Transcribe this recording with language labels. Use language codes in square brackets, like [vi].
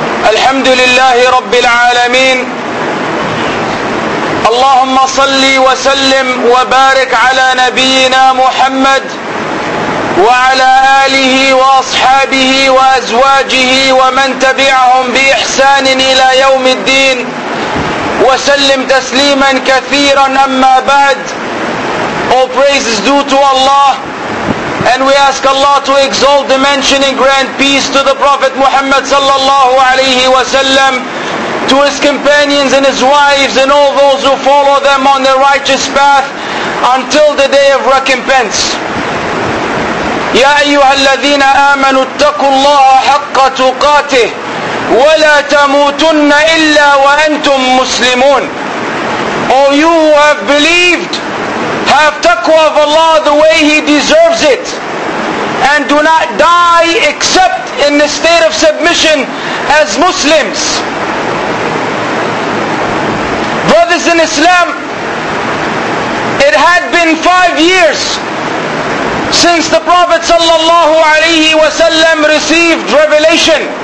[ar] الحمد لله رب العالمين، اللهم صلي وسلم وبارك على نبينا محمد وعلى آله وأصحابه وأزواجه ومن تبعهم بإحسان إلى يوم الدين، وسلم تسليما كثيرا. أما بعد، [en] all praise is due to Allah, and we ask Allah to exalt, dimension and grant peace to the Prophet Muhammad sallallahu alayhi wa sallam, to his companions and his wives and all those who follow them on their righteous path until the day of recompense. [ar] يا أيها الذين آمنوا اتقوا الله حق تقاته ولا تموتن إلا وأنتم مسلمون. [en] All you who have believed, have taqwa of Allah the way He deserves it, and do not die except in the state of submission as Muslims. Brothers in Islam, it had been 5 years since the Prophet sallallahu alayhi wa sallam received revelation.